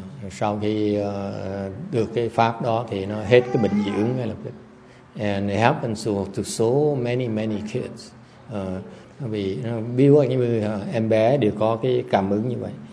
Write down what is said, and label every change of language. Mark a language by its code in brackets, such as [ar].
[vi] Sau khi được cái pháp đó thì nó hết cái bệnh dị ứng ngay lập tức. [en] And it happens to so many many kids. [vi] Vì biết như em bé đều có cái cảm ứng như vậy.